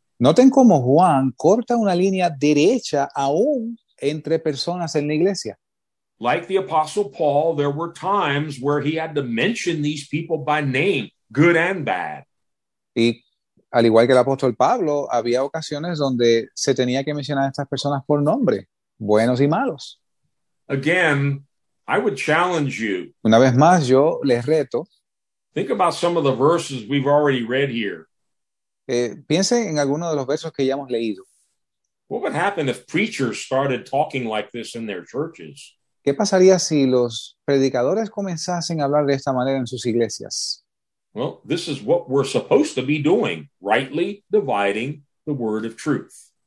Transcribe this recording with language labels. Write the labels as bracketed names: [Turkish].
[Spanish] Noten cómo Juan corta una línea derecha aún entre personas en la iglesia. [English] Like the Apostle Paul, there were times where he had to mention these people by name, good and bad. [Spanish] Y al igual que el apóstol Pablo, había ocasiones donde se tenía que mencionar a estas personas por nombre, buenos y malos. [English] Again, I would challenge you. [Spanish] Una vez más, yo les reto. [English] Think about some of the verses we've already read here. [Spanish] Piense en alguno de los versos que ya hemos leído. [English] What would happen if preachers started talking like this in their churches? [Spanish] ¿Qué pasaría si los predicadores comenzasen a hablar de esta manera en sus iglesias? [English] Well, this is what we're supposed to be doing, rightly dividing the word of truth.